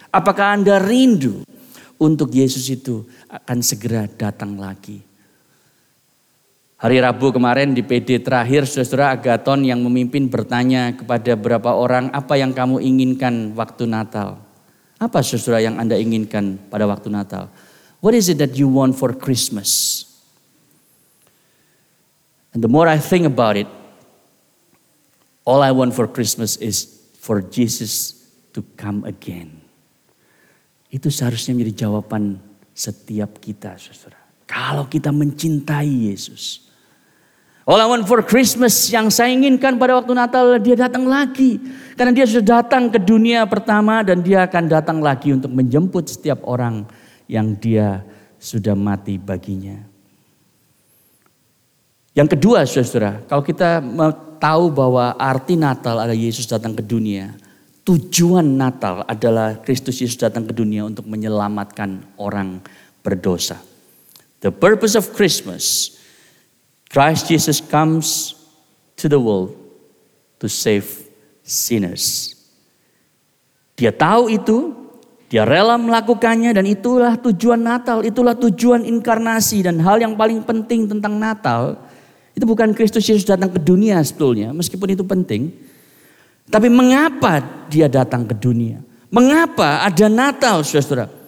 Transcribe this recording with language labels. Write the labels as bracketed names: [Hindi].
[Indonesian] Apakah Anda rindu untuk Yesus itu akan segera datang lagi? Hari Rabu kemarin di PD terakhir, saudara, Agaton yang memimpin bertanya kepada beberapa orang, apa yang kamu inginkan waktu Natal? Apa, saudara, yang Anda inginkan pada waktu Natal? [English] What is it that you want for Christmas? And the more I think about it, all I want for Christmas is for Jesus to come again. [Indonesian] Itu seharusnya menjadi jawaban setiap kita, saudara. Kalau kita mencintai Yesus. [English] All I want for Christmas, [Indonesian] yang saya inginkan pada waktu Natal, dia datang lagi. Karena dia sudah datang ke dunia pertama dan dia akan datang lagi untuk menjemput setiap orang yang dia sudah mati baginya. Yang kedua, saudara, kalau kita tahu bahwa arti Natal adalah Yesus datang ke dunia, tujuan Natal adalah Kristus Yesus datang ke dunia untuk menyelamatkan orang berdosa. [English] The purpose of Christmas, Christ Jesus comes to the world to save sinners. [Indonesian] Dia tahu itu, dia rela melakukannya dan itulah tujuan Natal, itulah tujuan inkarnasi. Dan hal yang paling penting tentang Natal, itu bukan Kristus Yesus datang ke dunia sebetulnya, meskipun itu penting. Tapi mengapa dia datang ke dunia? Mengapa ada Natal, saudara?